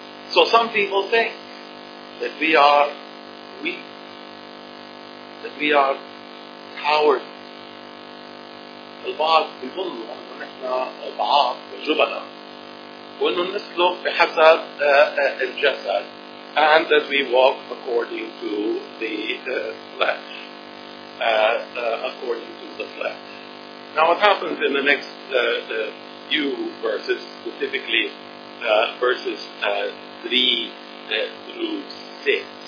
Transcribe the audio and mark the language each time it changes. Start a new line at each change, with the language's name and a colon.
English: So some people think that we are weak, that we are cowardly.
Arabic: البعض بيظنوا أنه نحن ضعاف وجبناء وأنه نسلك بحسب الجسد
English: and that we walk according to the flesh. According to the flesh. Now what happens in the next few verses, specifically verses 3 through 6,